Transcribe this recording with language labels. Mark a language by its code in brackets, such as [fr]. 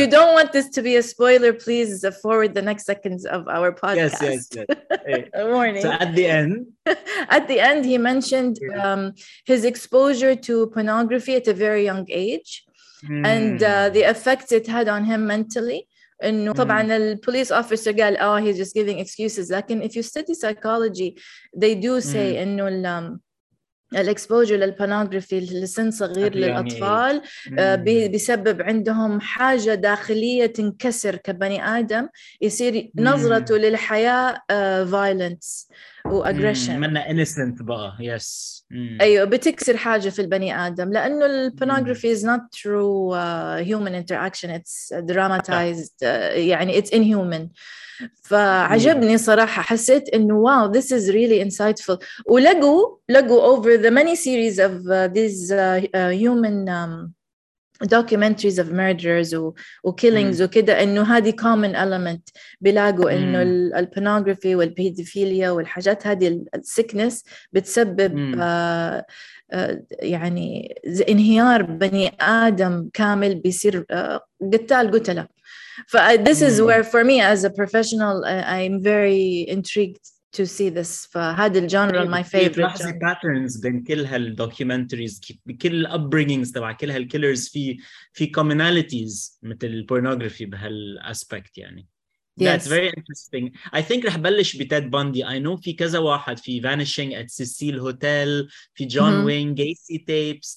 [en] you don't want this to be a spoiler please forward the next seconds of our podcast. yes yes yes warning. so at the end he mentioned his exposure to pornography at a very young age and the effect it had on him mentally. [ar] انه طبعا البوليس officer قال [en] oh he's just giving excuses، [ar] لكن [en] if you study psychology they do say [ar] انه الاكسبوجر للبورنوغرافي لسن صغير للاطفال بيسبب عندهم حاجه داخليه تنكسر كبني ادم، يصير نظرته للحياه violence وأجريشن. منا innocent بقى. yes. أيوة بتكسر حاجة في البني آدم، لأنه [en] pornography is not true human interaction. it's dramatized. يعني it's inhuman. [ar] فعجبني صراحة، حسيت إنه [en] wow this is really insightful. [ar] ولقوا [en] over the many series of these human documentaries of murderers [ar] وkillings وكده، إنه هذه common element بلاقوا إنه البورنوغرافي والبيدوفيليا والحاجات هذه السكنس بتسبب يعني انهيار بني آدم كامل، بيصير قتلة. [en] ف this is where for me as a professional I'm very intrigued to see this. [ar] فهذا الجانر [en] my favorite. [ar] لاحظي patterns بين كل هالdocumentaries، كل upbringings تبع كل هالkillers في commonalities مثل pornography بهالaspect يعني. [en] Yes. That's very interesting. I think رح بلش بتيد بندي. I know [ar] في كذا واحد، [en] في Vanishing at Cecil Hotel، في John Wayne Gacy Tapes.